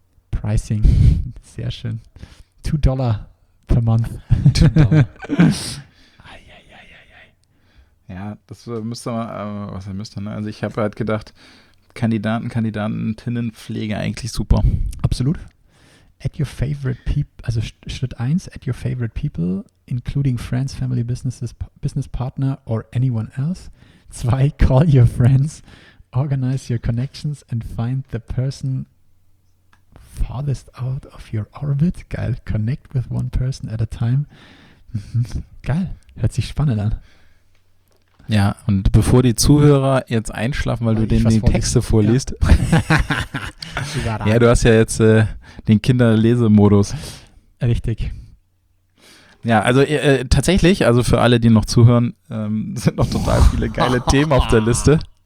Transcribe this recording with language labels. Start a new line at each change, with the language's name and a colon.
English: Pricing,
German: sehr schön.
English: $2 per Month.
German: Ja, das müsste man, was er müsste, ne? Also ich habe halt gedacht, Kandidaten, Kandidatinnen, Pflege eigentlich super. Absolut.
English: At your favorite people,
German: also Schritt 1,
English: at your favorite people, including friends, family, businesses, business partner or anyone else. 2, call your friends, organize your connections and find the person farthest out of your orbit.
German: Geil,
English: connect with one person at a time.
German: Geil, hört sich spannend an. Ja, und bevor die Zuhörer jetzt einschlafen, weil du denen die Texte vorliest. Ja. Ja, du hast ja jetzt den Kinderlesemodus. Richtig. Ja, also tatsächlich, also für alle, die noch zuhören, sind noch total viele geile Themen auf der Liste.